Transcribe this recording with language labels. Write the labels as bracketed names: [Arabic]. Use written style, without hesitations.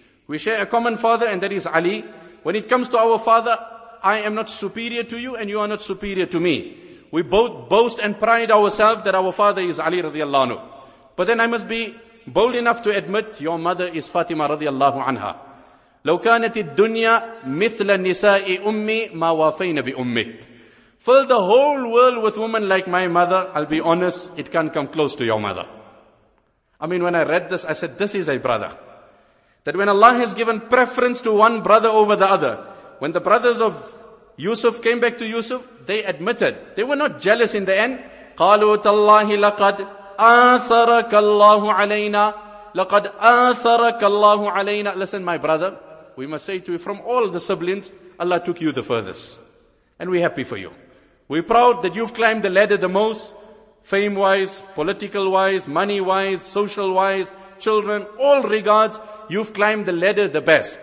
[English] We share a common father, and that is Ali. When it comes to our father, I am not superior to you and you are not superior to me. We both boast and pride ourselves that our father is Ali radiallahu anhu. But then I must be bold enough to admit your mother is Fatima radiallahu anha. [Arabic] لو كانت الدنيا مثل نساء أمي ما وافينا بأمك. [English] Fill the whole world with women like my mother, I'll be honest, it can't come close to your mother. I mean, when I read this, I said, this is a brother. That when Allah has given preference to one brother over the other, when the brothers of Yusuf came back to Yusuf, they admitted, they were not jealous in the end. [Arabic] قالوا تالله لقد آثرك الله علينا لقد آثرك الله علينا. [English] Listen, my brother, we must say to you, from all the siblings, Allah took you the furthest. And we're happy for you. We're proud that you've climbed the ladder the most, fame-wise, political-wise, money-wise, social-wise, children, all regards, you've climbed the ladder the best.